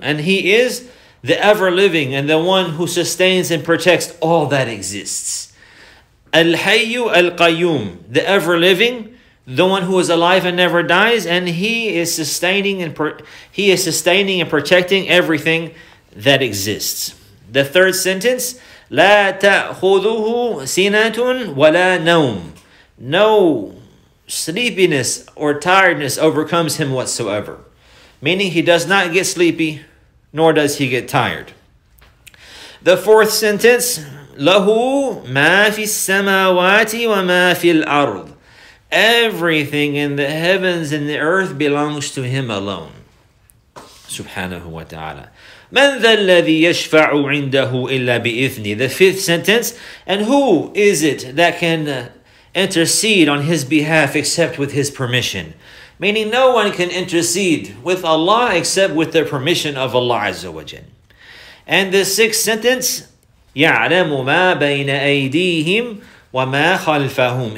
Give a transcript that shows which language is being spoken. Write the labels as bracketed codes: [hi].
[en] And He is the ever-living and the one who sustains and protects all that exists. Al-Hayyu al-Qayyum, the ever-living, the one who is alive and never dies, and he is sustaining and protecting everything that exists. The third sentence, [ar] لا تأخذه سنة ولا نوم. [en] No sleepiness or tiredness overcomes him whatsoever. Meaning he does not get sleepy, nor does he get tired. The fourth sentence, [ar] له ما في السماوات وما في الأرض. [en] Everything in the heavens and the earth belongs to Him alone. Subhanahu wa ta'ala. [ar] مَنْ ذَا الَّذِي يَشْفَعُ عِنْدَهُ إِلَّا بِإِذْنِهِ [en] The fifth sentence. And who is it that can intercede on His behalf except with His permission? Meaning no one can intercede with Allah except with the permission of Allah Azza wa Jal. And the sixth sentence. [ar] يَعْلَمُ مَا بَيْنَ أَيْدِيهِمْ وَمَا خَلْفَهُمْ.